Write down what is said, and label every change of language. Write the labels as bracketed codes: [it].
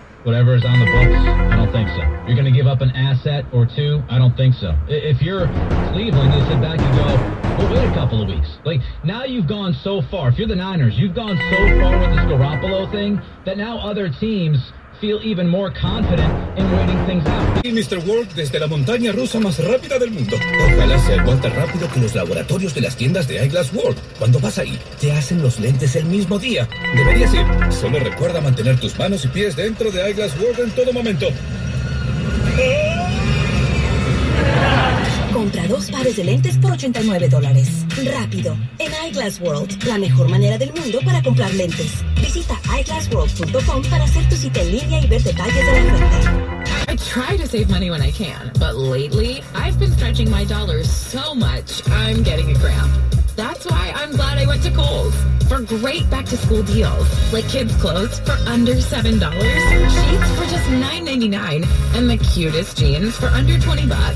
[en] Whatever is on the books, I don't think so. You're going to give up an asset or two? I don't think so. If you're Cleveland, you sit back and go, well, wait a couple of weeks. Like, now you've gone so far. If you're the Niners, you've gone so far with this Garoppolo thing that now other teams feel even more confident in waiting things out. Hey, Mr. [es] Wolf, desde la montaña rusa más rápida del mundo. Ojalá sea igual tan rápido que los laboratorios de las tiendas de Eyeglass World. Cuando vas ahí, te hacen los lentes el mismo día. Deberías ir. Solo recuerda mantener tus manos y pies dentro de Eyeglass World en todo momento. Compra dos pares de lentes por $89. Rápido. En Eyeglass World, la mejor manera del mundo para comprar lentes. Visita eyeglassworld.com para hacer tu cita en línea y ver detalles de la oferta. [en] I try to save money when I can, but lately, I've been stretching my dollars so much, I'm getting a cramp. That's why I'm glad I went to Kohl's. For great back-to-school deals, like kids' clothes for under $7, sheets for just $9.99, and the cutest jeans for under $20.